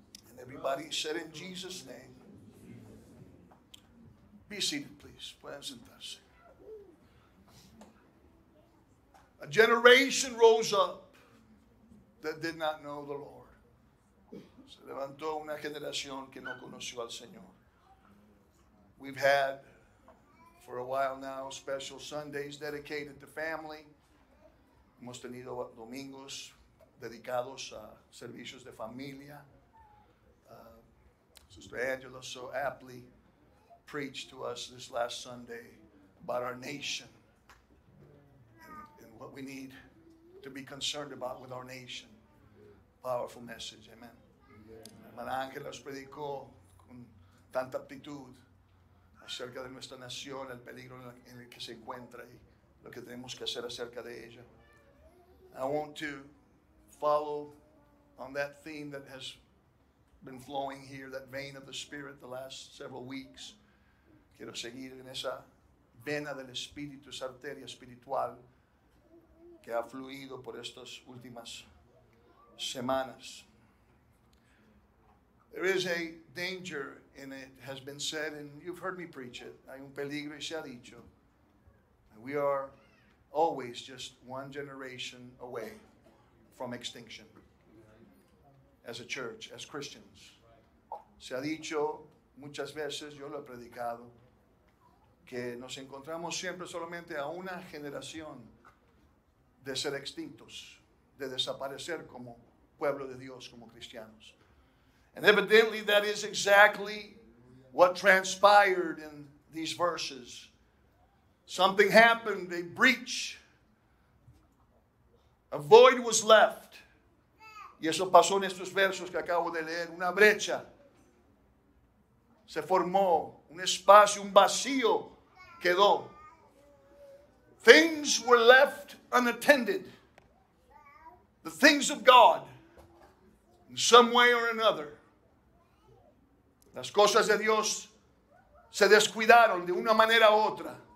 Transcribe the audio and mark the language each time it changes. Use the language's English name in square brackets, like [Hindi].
[English] And everybody said in Jesus' name, be seated, please. Present us. A generation rose up that did not know the Lord. [Spanish] Se levantó una generación que no conoció al Señor. [English] We've had for a while now, special Sundays dedicated to family. [Spanish] Hemos tenido domingos dedicados a servicios de familia. [English] Sister Angela so aptly preached to us this last Sunday about our nation and what we need to be concerned about with our nation. Powerful message, amen. [Spanish] Hermana Angela nos predicó con tanta aptitud acerca de nuestra nación, el peligro en el que se encuentra y lo que tenemos que hacer acerca de ella. [English] I want to follow on that theme that has been flowing here, that vein of the Spirit the last several weeks. [Spanish] Quiero seguir en esa vena del Espíritu, esa arteria espiritual que ha fluido por estas últimas semanas. [English] There is a danger, and it has been said, and you've heard me preach it. [Spanish] Hay un peligro y se ha dicho. [English] We are always just one generation away from extinction as a church, as Christians. [Spanish] Se ha dicho muchas veces, yo lo he predicado, que nos encontramos siempre solamente a una generación de ser extintos, de desaparecer como pueblo de Dios, como cristianos. [English] And evidently that is exactly what transpired in these verses. Something happened, a breach. A void was left. [Spanish] Y eso pasó en estos versos que acabo de leer. Una brecha. Se formó un espacio, un vacío quedó. [English] Things were left unattended. The things of God, in some way or another. [Spanish] Las cosas de Dios se descuidaron de una manera u otra.